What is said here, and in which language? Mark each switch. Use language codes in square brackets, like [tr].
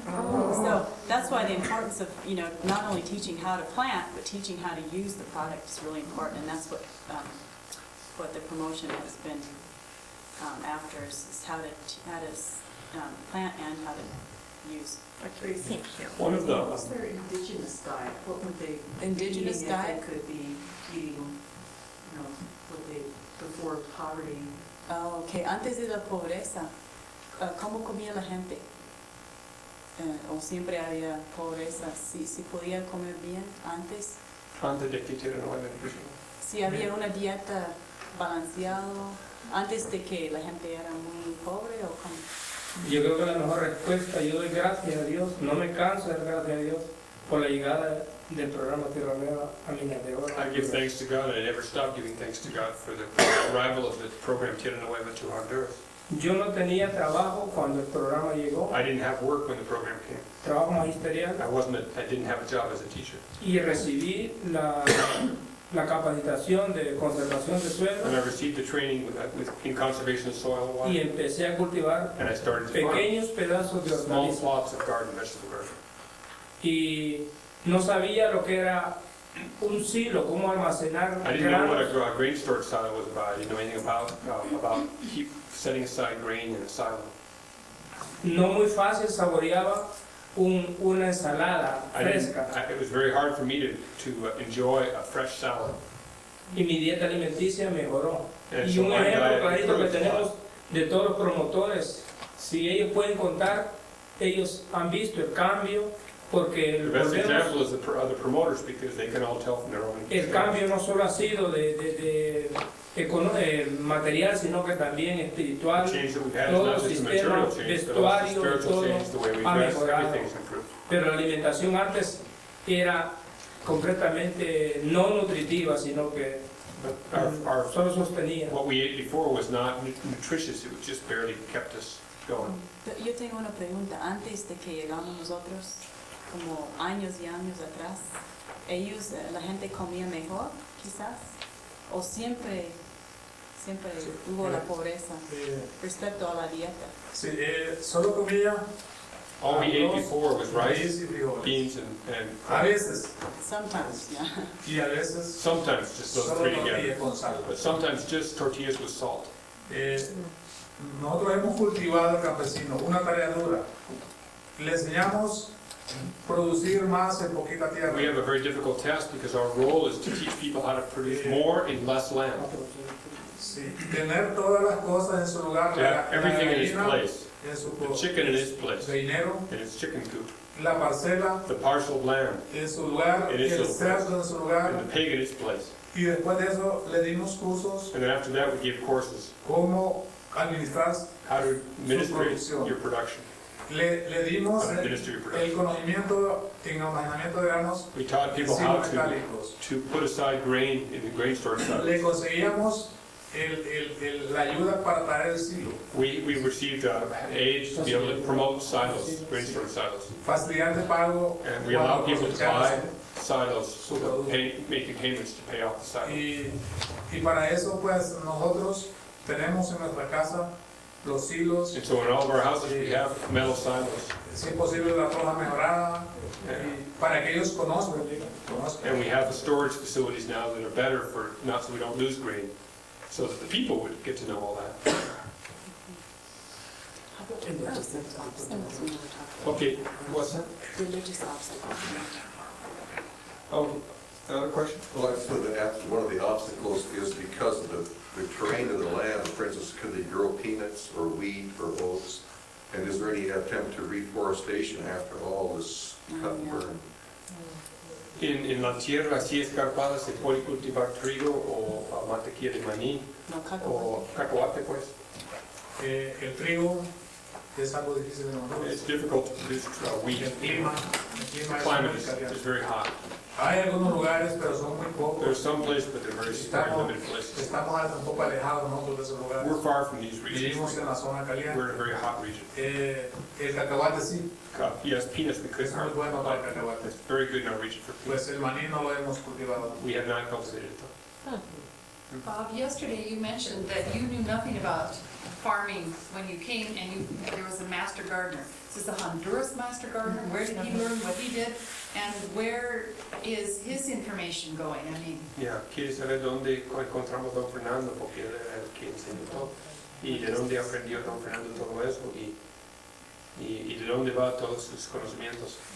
[en] So that's why the importance of, you know, not only teaching how to plant, but teaching how to use the product is really important, and that's what the promotion has been after, is how to plant and how to use. Okay, thank you. What's their indigenous diet? What would they indigenous eat diet? If they could be eating, you know, would they, before poverty? Oh, okay. [es] Antes de la pobreza, ¿cómo comía la gente? ¿O siempre había pobreza? ¿Si podía comer bien antes? Antes de que tuvieran la nutrición. Si había una dieta balanceada, antes de que la gente era muy pobre, ¿o cómo? Yo creo que la mejor respuesta, yo doy gracias a Dios, no me canso de dar gracias a Dios por la llegada del programa Tierra Nueva a Minas de Oro. [en] I give thanks to God, I never stop giving thanks to God for the arrival of the program Tierra Nueva to Honduras. [es] Yo no tenía trabajo cuando el programa llegó. [en] I didn't have work when the program came. [es] Trabajo magisterial. [en] I didn't have a job as a teacher. [es] Y recibí la la capacitación de conservación de suelo. [en] And I received the training in conservation of soil and water. [es] Y empecé a cultivar pequeños pedazos de hortalizas. [en] Small plots of garden vegetable garden. [es] Y no sabía lo que era un silo, cómo almacenar granos. [en] I didn't know what a grain storage silo was about. I didn't know anything about keep setting aside grain in a silo. [es] No muy fácil saboreaba una ensalada fresca. [en] It was very hard for me to enjoy a fresh salad. [es] Y mi dieta alimenticia mejoró. Y un ejemplo clarito que tenemos de todos los promotores, si ellos pueden contar, ellos han visto el cambio, porque [en] the best example is the promoters, because they can all tell from their own. [es] El cambio no solo ha sido de material, sino que también espiritual. Todo el sistema vestuario, todo ha mejorado. Pero la alimentación antes era completamente no nutritiva, sino que solo sostenía. [en] What we ate before was not nutritious, it just barely kept us going. [es] Yo tengo una pregunta. Antes de que llegamos nosotros, como años y años atrás, ellos, la gente comía mejor, quizás, o siempre hubo la pobreza respecto a la dieta. Sí, solo comía. [en] All we ate before was rice, beans, and [es] a veces. [en] Sometimes, yeah. [es] Y a veces. [en] Sometimes, just those [es] solo [en] three together. [es] Con sal. [en] But sometimes just tortillas with salt. [es] Nosotros hemos cultivado campesinos, una tarea dura. Le enseñamos producir más en poquita tierra. [en] We have a very difficult task, because our role is to teach people how to produce more in less land. [es] Sí. Tener todas las cosas en su lugar. [en] Everything in its place. [es] En su [en] the chicken in its place. [es] Reinero. [en] In its chicken coop. [es] La parcela. [en] The parcel of land. [es] En su lugar. [en] It is [es] el cerdo en su lugar. [en] And the pig in its place. [es] Y después de eso le dimos cursos. [en] And then after that we give courses. [es] Cómo administrar. [en] How to administer your production. [es] Le dimos el conocimiento en almacenamiento de granos. [en] We taught people how to put aside grain in the grain storage silos. [es] Le conseguíamos el la ayuda para traer el silo. [en] We received aid to be able to promote silos, grain storage silos. [es] Facilidades pago. [en] And we allowed people to buy silos, making payments to pay off the silos. [es] Y para eso pues nosotros tenemos en nuestra casa. Los silos. [en] And so in all of our houses we have metal silos. [es] Si es posible la forma mejorada para que ellos conozcan. [en] And we have the storage facilities now that are better for not so we don't lose grain, so that the people would get to know all that. Okay, what's that? Religious obstacles. Oh, another question? Well, I said that one of the obstacles is because of the terrain of the land, for instance, could they grow peanuts or wheat or oats? And is there any attempt to reforestation after all this cut and burn? [es] In la tierra, si escarpada, se puede cultivar trigo o mantequilla de maní. No, cacahuate, pues. El trigo es algo difícil de nosotros. [en] It's difficult to produce wheat. [es] El clima [en] the climate is very hot. [es] Hay algunos lugares, pero son muy pocos. [en] There are some places, but they're very limited places. [es] Estamos un poco alejados nosotros de esos lugares. [en] We're far from these regions. [es] Vivimos en la zona caliente. [en] We're in a very hot region. [es] El cacahuate sí. [en] Yes, peanuts, because [es] es muy bueno para el cacahuate. [en] It's very good in our region for peanuts. [es] Pues el maní no lo hemos cultivado. [en] We have not cultivated it. Bob, yesterday you mentioned that you knew nothing about farming when you came, and there was a master gardener. This is a Honduras master gardener. Where did he learn what he did? And where is his information going? I mean, [es] yeah, quiere saber dónde encontramos don Fernando, porque él es el que enseñó todo. Y de dónde aprendió don Fernando todo eso, y de dónde va todos sus conocimientos.